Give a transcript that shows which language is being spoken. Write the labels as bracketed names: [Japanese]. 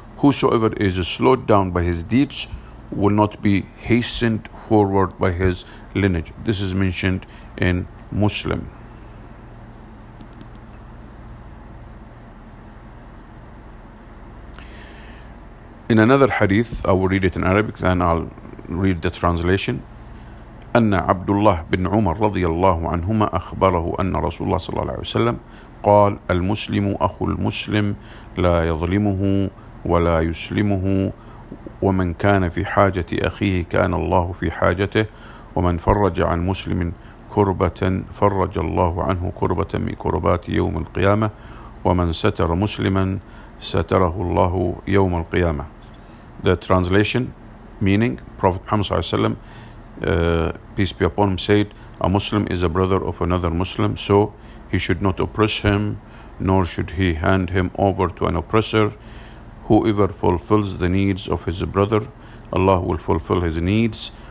[English] Whosoever is slowed down by his deeds will not be hastened forward by his lineage. This is mentioned in Muslim. In another hadith, I will read it in Arabic, then I'll read the translation. [Arabic] أن عبد الله بن عمر رضي الله عنهما أخبره أن رسول الله صلى الله عليه وسلم قال المسلم أخو المسلم لا يظلمه ولا يسلمه ومن كان في حاجة أخيه كان الله في حاجته ومن فرج عن مسلم كربة فرج الله عنه كربة من كربات يوم القيامة ومن ستر مسلما ستره الله يوم القيامة. [English] The translation meaning: Prophet Muhammad [Arabic] صلى الله عليه وسلم, [English] peace be upon him, said a Muslim is a brother of another Muslim, so he should not oppress him, nor should he hand him over to an oppressor. Whoever fulfills the needs of his brother, Allah will fulfill his needs.